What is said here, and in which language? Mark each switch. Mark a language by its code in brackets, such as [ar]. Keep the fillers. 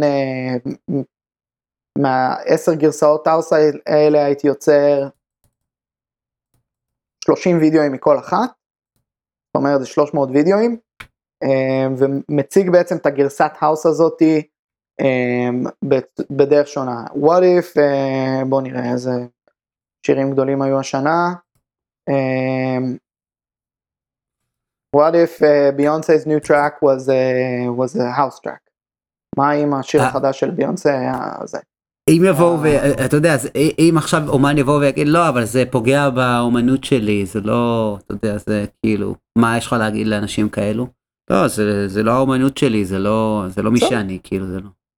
[he] מה, מהעשר מה, מה, גרסאות האוס האלה הייתי יוצר 30 וידאוים מכל אחת אומרת זה 300 וידאוים ומציג בעצם את הגרסת האוס הזאתי um, בדרך שונה. [en] What if, uh, בוא נראה איזה שירים גדולים היו השנה. Um, what if ביונסה's uh, Beyonce's new track was a, was a house track. [he] מה אם huh. השיר החדש של ביונסה היה זה. אם יבואו ואתה יודע אם עכשיו אומן יבוא ויגיד לא אבל זה פוגע באומנות שלי זה לא אתה יודע זה כאילו מה יש לך להגיד לאנשים כאלו. לא זה, זה לא האומנות שלי זה לא זה לא מי שאני כאילו זה לא.